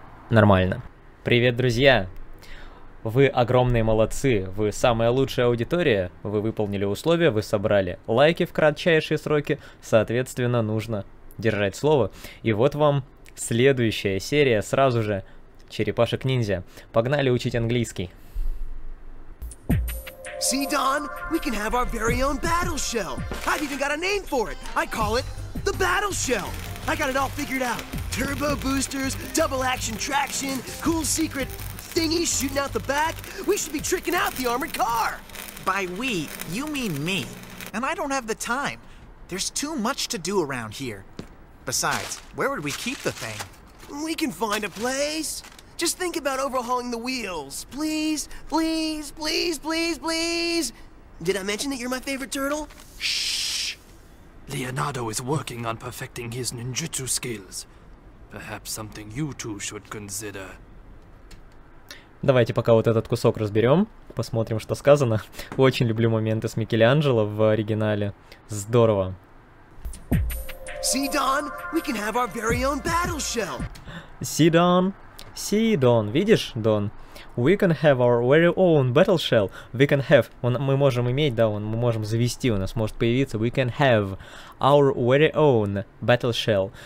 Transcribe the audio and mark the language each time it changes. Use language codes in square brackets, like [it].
[ru] Нормально. Привет, друзья! Вы огромные молодцы, вы самая лучшая аудитория, вы выполнили условия, вы собрали лайки в кратчайшие сроки, соответственно, нужно держать слово. И вот вам следующая серия сразу же «Черепашек-ниндзя». Погнали учить английский. [en] See, Don, we can have our very own battle shell. I've even got a name for it. I call it the battle shell. I got it all figured out. Turbo boosters, double action traction, cool secret thingy shooting out the back. We should be tricking out the armored car. By we, you mean me. And I don't have the time. There's too much to do around here. Besides, where would we keep the thing? We can find a place. Just think about overhauling the wheels. Please, please, please, please, please. Did I mention that you're my favorite turtle? Shh. Leonardo is working on perfecting his ninjutsu skills. Perhaps something you two should consider. [ru] Давайте пока вот этот кусок разберем, посмотрим, что сказано. Очень люблю моменты с Микеланджело в оригинале. Здорово. [en] See, Don, we can have our very own battle shell. See, Don. See, Don, [ru] видишь, [en] Don? We can have our very own battle shell. We can have, [ru] мы можем иметь, да, мы можем завести, у нас может появиться. [en] We can have our very own battle shell.